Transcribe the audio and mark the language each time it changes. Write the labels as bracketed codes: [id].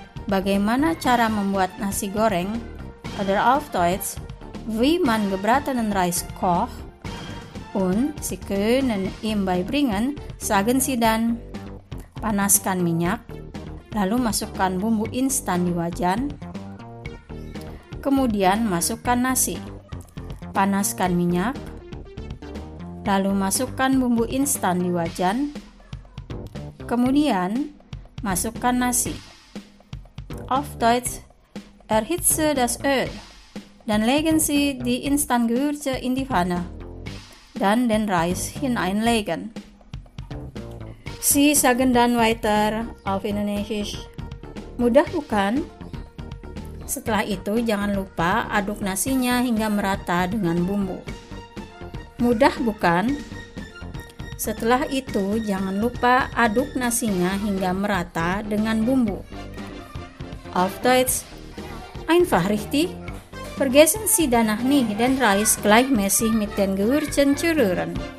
[id] Bagaimana cara membuat nasi goreng? [de] Oder auf Deutsch, wie man gebratenen Reis kocht? Und Sie können ihm beibringen, sagen Sie dann, [id] panaskan minyak, lalu masukkan bumbu instan di wajan, kemudian masukkan nasi. Panaskan minyak, lalu masukkan bumbu instan di wajan, kemudian masukkan nasi. [de] Auf Deutsch, erhitze das Öl, dann legen Sie die Instantgewürze in die Pfanne, dann den Reis hineinlegen. Sie sagen dann weiter auf Indonesisch, [id] mudah bukan? Setelah itu, jangan lupa aduk nasinya hingga merata dengan bumbu. Mudah bukan? Setelah itu, jangan lupa aduk nasinya hingga merata dengan bumbu. [de] Auf Deutsch, einfach richtig? Vergessen Sie danach nicht den Reis gleichmäßig mit den Gewürzen zu rühren.